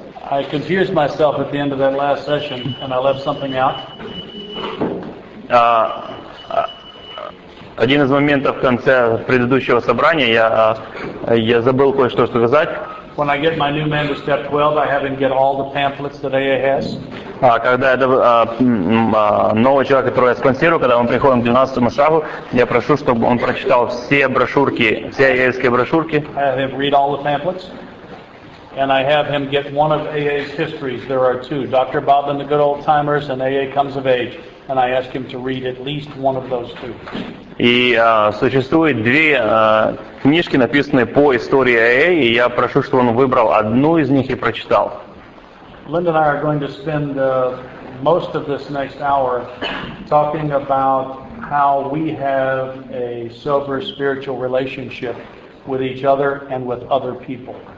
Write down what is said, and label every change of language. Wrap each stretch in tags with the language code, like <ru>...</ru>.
<en>I confused myself at the end of that last session, and I left something out.</en> <ru>Один из моментов в конце предыдущего собрания я забыл кое-что сказать.</ru> <en>When I get my new manuscript 12, I have him get all the pamphlets that AA has.</en> <ru>Когда это новый человек, которого я спонсирую, когда он приходит к 12-му шагу, я прошу, чтобы он прочитал все брошюрки, все AA-ские брошюрки.</ru> <en>I have him read all the pamphlets. And I have him get one of AA's histories. There are two. Dr. Bob and the Good Old Timers and AA Comes of Age. And I ask him to read at least one of those two.</en> <ru>И существует две книжки, написанные по истории АА, и я прошу, чтобы он выбрал одну из них и прочитал.</ru> <en>Линда and I are going to spend most of this next hour talking about how we have a sober spiritual relationship with each other and with other people.</en>